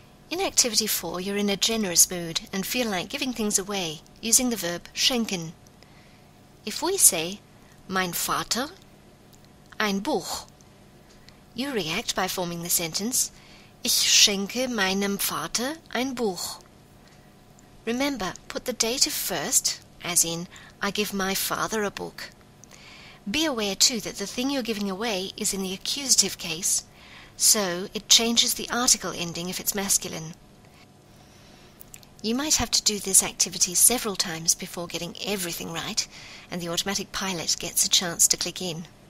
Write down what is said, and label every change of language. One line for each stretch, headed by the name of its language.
English: In Activity 4, you're in a generous mood and feel like giving things away, using the verb schenken. If we say,
German: mein Vater, ein Buch,
English: you react by forming the sentence,
German: ich schenke meinem Vater ein Buch.
English: Remember, put the dative first, as in, I give my father a book. Be aware, too, that the thing you're giving away is in the accusative case, so it changes the article ending if it's masculine. You might have to do this activity several times before getting everything right, and the automatic pilot gets a chance to click in.